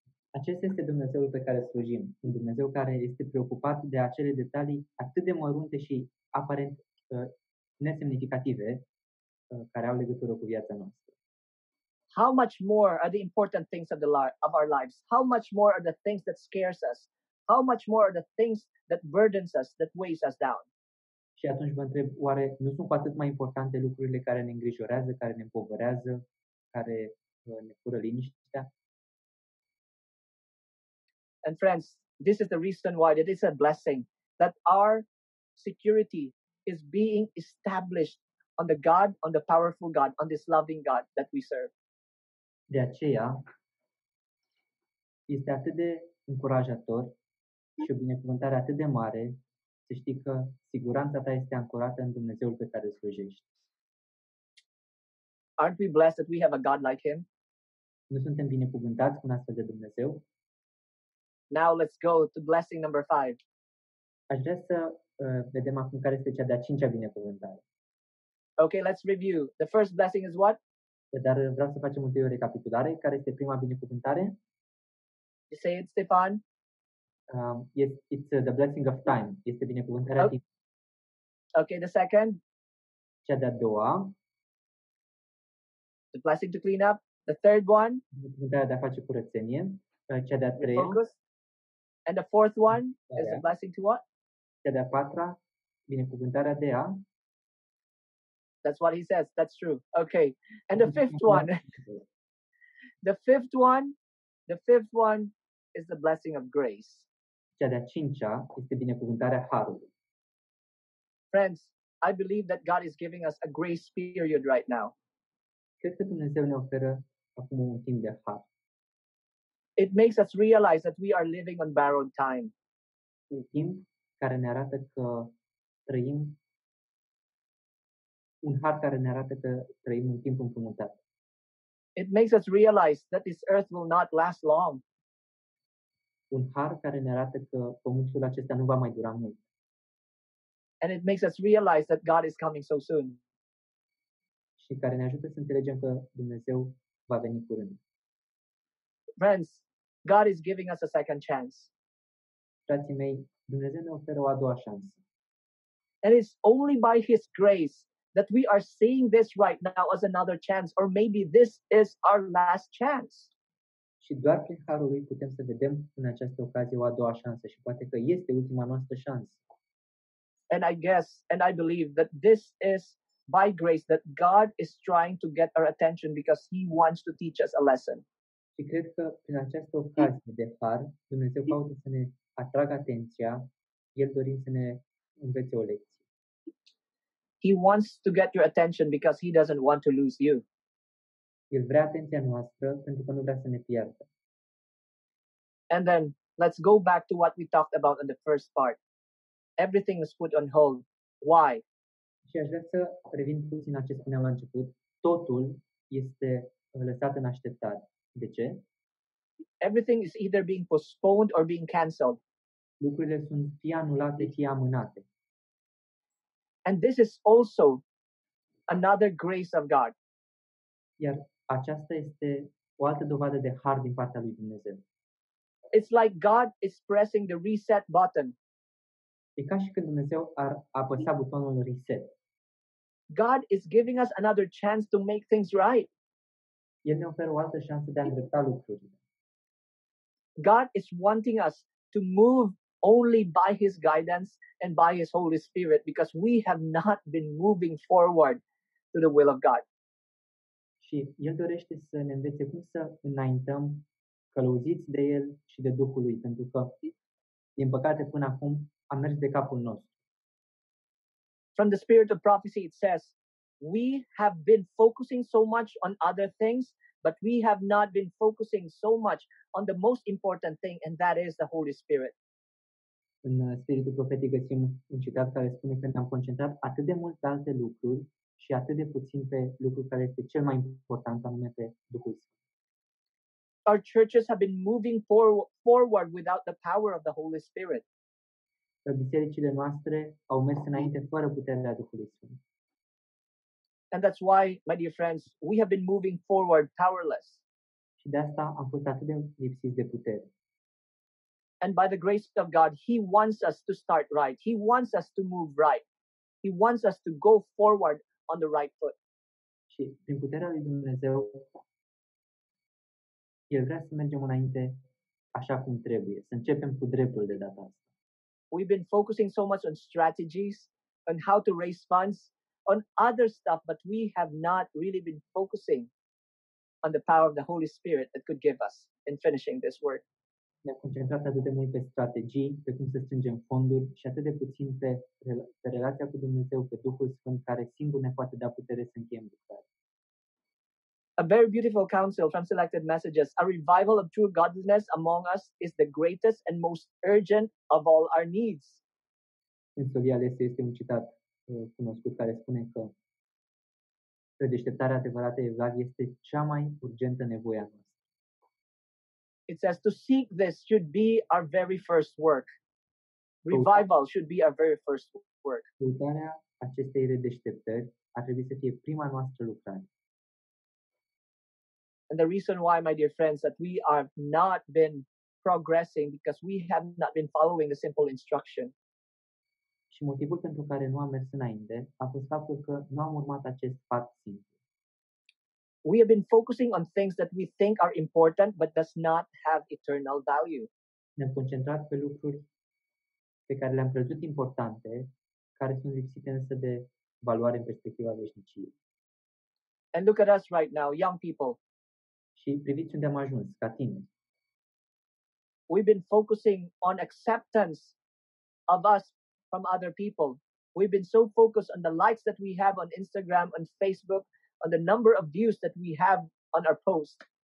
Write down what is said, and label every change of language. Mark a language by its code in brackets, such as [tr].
[ro] Acesta este Dumnezeul pe care slujim, un Dumnezeu care este preocupat de acele detalii atât de mărunte și aparent nesemnificative care au legătură cu viața noastră. [en] How much more are the important things of our lives? How much more are the things that scares us? How much more are the things that burdens us, that weighs us down? [ro] Și atunci mă întreb, oare nu sunt cu atât mai importante lucrurile care ne îngrijorează, care ne împovărează, care ne fură liniștea? [en] And friends, this is the reason why it is a blessing that our security is being established on the God, on the powerful God, on this loving God that we serve. [ro] De aceea, este atât de încurajator și o binecuvântare atât de mare să știi că siguranța ta este ancorată în Dumnezeul pe care slujești. [en] Aren't we blessed that we have a God like him? [ro] Nu suntem binecuvântați cu un astfel de Dumnezeu? [en] Now let's go to blessing number 5. [ro] Aș vrea să vedem acum care este cea de-a cincea binecuvântare. [en] Okay, let's review. The first blessing is what? [ro] Dar vreau să facem întâi o recapitulare. Care este prima binecuvântare? [en] You say it, Stefan? It's the blessing of time. [ro] Este binecuvântarea timp. [en] Okay, the second? [ro] Cea de-a doua. [en] The blessing to clean up. The third one? [ro] Binecuvântarea de a face curățenie. Cea de-a treia. [en] And the fourth one is the blessing to what? [ro] Cea de-a patra, binecuvântarea de a. [en] That's what he says. That's true. Okay. And the fifth one. The fifth one is the blessing of grace. [ro] Cea de-a cincea este binecuvântarea harului. [en] Friends, I believe that God is giving us a grace period right now. [ro] Cred că Dumnezeu ne oferă acum un timp de har. [en] It makes us realize that we are living on borrowed time. [ro] Un timp care ne arată că trăim. Un har care ne arată că trăim un timp împrumutat. [en] It makes us realize that this earth will not last long. [ro] Un har care ne arată că pământul acesta nu va mai dura mult. [en] And it makes us realize that God is coming so soon. [ro] Și care ne ajută să înțelegem că Dumnezeu va veni curând. [en] Friends, God is giving us a second chance. [ro] Frații mei, Dumnezeu ne oferă o a doua șansă. [en] And it's only by his grace that we are seeing this right now as another chance, or maybe this is our last chance. [ro] Și doar prin harul lui putem să vedem în această ocazie o a doua șansă și poate că este ultima noastră șansă. [en] And I guess, and I believe that this is by grace that God is trying to get our attention because he wants to teach us a lesson. [ro] Și cred că prin această ocazie de har, Dumnezeu caută să ne atragă atenția, El dorind să ne învețe o lecție. [en] He wants to get your attention because he doesn't want to lose you. [ro] El vrea atenția noastră pentru că nu vrea să ne pierdă. [en] And then, let's go back to what we talked about in the first part. Everything is put on hold. Why? [ro] Și aș vrea să revin puțin la ce spuneam la început. Totul este lăsat în așteptare. De ce? [en] Everything is either being postponed or being cancelled. [ro] Lucrurile sunt fie anulate, fie amânate. [en] And this is also another grace of God. [ro] Iar aceasta este o altă dovadă de har din partea lui Dumnezeu. [en] It's like God is pressing the reset button. [ro] E ca și când Dumnezeu ar apăsa butonul reset. [en] God is giving us another chance to make things right. [ro] El ne oferă o altă șansă de a îndrepta lucrurile. [en] God is wanting us to move only by his guidance and by his Holy Spirit because we have not been moving forward to the will of God. [ro] Și El dorește să ne învețe cum să înaintăm călăuziți de El și de Duhul Lui, pentru că, din păcate, până acum am mers de capul nostru. [en] From the spirit of prophecy it says, we have been focusing so much on other things, but we have not been focusing so much on the most important thing, and that is the Holy Spirit. [ro] În spiritul profetic găsim un citat care spune că ne-am concentrat atât de mult pe alte lucruri și atât de puțin pe lucrul care este cel mai important, anume pe Duhul Sfânt. [en] Our churches have been moving forward without the power of the Holy Spirit. [ro] Bisericile noastre au mers înainte fără puterea Duhului Sfânt. [en] And that's why, my dear friends, we have been moving forward powerless. [ro] Și de asta am fost atât de lipsiți de putere. [en] And by the grace of God, he wants us to start right. He wants us to move right. He wants us to go forward on the right foot. [ro] Și prin puterea lui Dumnezeu, El vrea să mergem înainte așa cum trebuie, să începem cu dreptul de data asta. [en] We've been focusing so much on strategies, on how to raise funds, on other stuff, but we have not really been focusing on the power of the Holy Spirit that could give us in finishing this work. [ro] Ne-am concentrat atât de mult pe strategii, pe cum să strângem fonduri și atât de puțin pe relația cu Dumnezeu, pe Duhul Sfânt, care singur ne poate da putere să încheiem lucrarea. [en] A very beautiful counsel from selected messages. A revival of true godliness among us is the greatest and most urgent of all our needs. [ro] În solia lese este un citat cunoscut care spune că deșteptarea adevărată, evlav, este cea mai urgentă nevoie a noastră. [en] It says to seek this should be our very first work. Revival should be our very first work. [ro] Căutarea acestei redeșteptări ar trebui să fie prima noastră lucrare. [en] And the reason why, my dear friends, that we have not been progressing because we have not been following the simple instruction. [ro] Și motivul pentru care nu am mers înainte a fost faptul că nu am urmat acest pas simplu. [en] We have been focusing on things that we think are important but does not have eternal value. [ro] Ne-am concentrat pe lucruri pe care le-am crezut importante, care sunt lipsite însă de valoare în perspectiva veșniciei. [en] And look at us right now, young people. [ro] Și priviți unde am ajuns, ca tineri. [en] We've been focusing on acceptance of us from other people. We've been so focused on the likes that we have on Instagram, on Facebook, on the number of views that we have on our post.